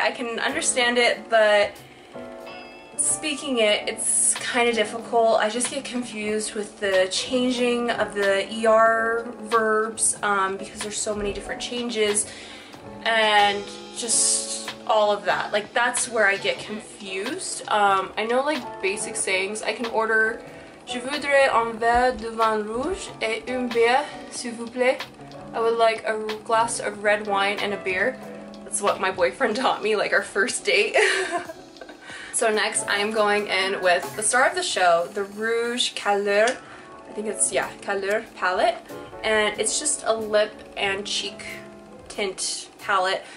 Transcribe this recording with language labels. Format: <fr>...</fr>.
<en>I can understand it, but speaking it, it's kind of difficult. I just get confused with the changing of the ER verbs because there's so many different changes and just all of that. Like, that's where I get confused. I know, like, basic sayings. I can order,</en> <fr>je voudrais un verre de vin rouge et une bière, s'il vous plaît.</fr> <en>I would like a glass of red wine and a beer. That's what my boyfriend taught me, like, our first date. So next, I'm going in with the star of the show, the Rouge Caleur, Caleur palette. And it's just a lip and cheek tint palette.</en>